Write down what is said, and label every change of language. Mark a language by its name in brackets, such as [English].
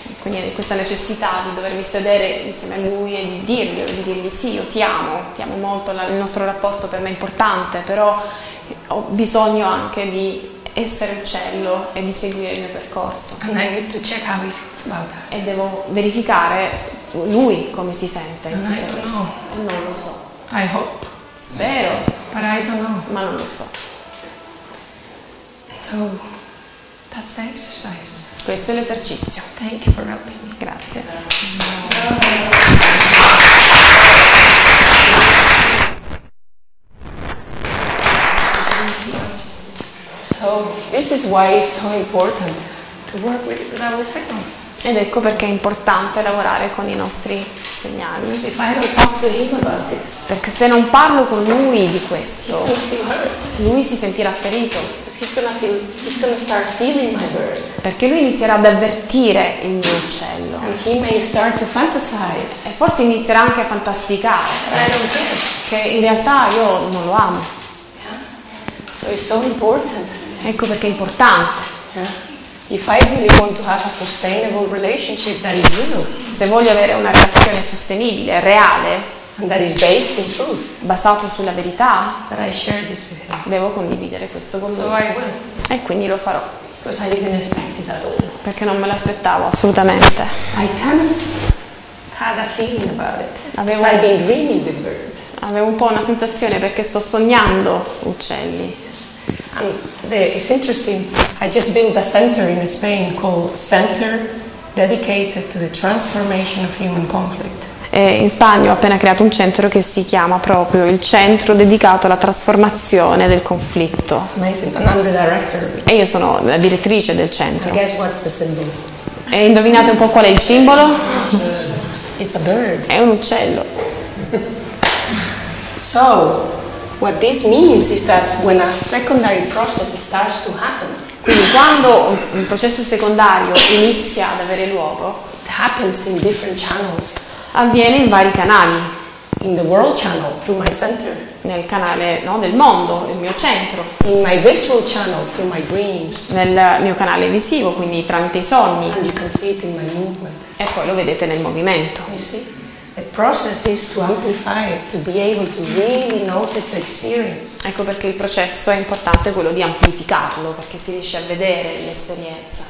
[Italian] Quindi questa necessità di dovermi sedere insieme a lui e di dirgli sì, io ti amo molto, il nostro rapporto per me è importante, però ho bisogno anche di essere uccello e di seguire il mio percorso. [English] And I need to check how he feels about that. [Italian] E devo verificare lui come si sente. [English] And I don't know. [Italian] E non lo so. [English] I hope. [Italian] Spero. [English] But I don't know. [Italian] Ma non lo so. [English] So, that's the exercise. [Italian] Questo è l'esercizio. [English] Thank you for helping me. [Italian] Grazie. [English] So this is why it's so important to work with double signals. [Italian] Ed ecco perché è importante lavorare con i nostri segnali. [English] Because if I don't talk to him about this, [Italian] perché se non parlo con lui di questo, [English] he's gonna feel hurt. [Italian] Lui si sentirà ferito. [English] He's gonna start feeling my bird. [Italian] Perché lui inizierà ad avvertire il mio uccello. [English] And he may start to fantasize. [Italian] E forse inizierà anche a fantasticare. [English] But I don't care. [Italian] Che in realtà io non lo amo. [English] Yeah. So it's so important. [Italian] Ecco perché è importante. [English] Yeah. If I really want to have a sustainable relationship that is real, [Italian] se voglio avere una relazione sostenibile, reale, [English] and that is based in truth, [Italian] basato sulla verità, [English] that I share this with him, [Italian] devo condividere questo con [English] so [Italian] lui. [English] So I will. [Italian] E quindi lo farò. [English] Because I didn't expect it at all. [Italian] Perché non me l'aspettavo assolutamente. [English] I kind of had a feeling about it. [Italian] Avevo, [English] I've been dreaming the birds. [Italian] Avevo un po' una sensazione perché sto sognando uccelli. [English] And it's interesting. I just built a center in Spain called Center Dedicated to the Transformation of Human Conflict. [Italian] E in Spagna ho appena creato un centro che si chiama proprio il Centro Dedicato alla Trasformazione del Conflitto. [English] Amazing. And I'm the director. [Italian] E io sono la direttrice del centro. [English] Guess what's the symbol? [Italian] E indovinate un po' qual è il simbolo? [English] It's a bird. [Italian] È un uccello. [English] So what this means is that when a secondary process starts to happen, [Italian] quindi quando un processo secondario inizia ad avere luogo, [English] it happens in different channels. [Italian] Avviene in vari canali. [English] In the world channel, through my center. [Italian] Nel canale, no, del mondo, il mio centro. [English] In my visual channel, through my dreams. [Italian] Nel mio canale visivo, quindi tramite i sogni. [English] And you can see it in my movement. [Italian] E poi lo vedete nel movimento. [English] You see? The process is to amplify it, to be able to really notice the experience. [Italian] Ecco perché il processo è importante, quello di amplificarlo, perché si riesce a vedere l'esperienza.